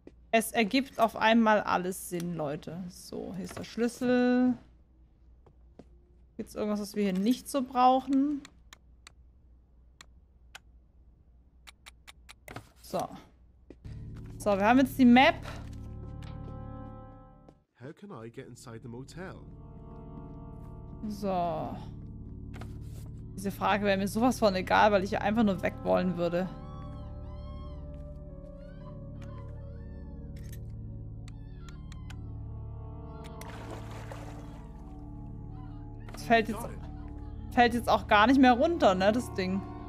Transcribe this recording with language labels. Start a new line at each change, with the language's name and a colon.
German: Es ergibt auf einmal alles Sinn, Leute. So, hier ist der Schlüssel. Gibt es irgendwas, was wir hier nicht so brauchen? So. So, wir haben jetzt die Map.
English: How can I get inside the motel?
German: So. Diese Frage wäre mir sowas von egal, weil ich einfach nur weg wollen würde. Das fällt jetzt auch gar nicht mehr runter, ne, das Ding.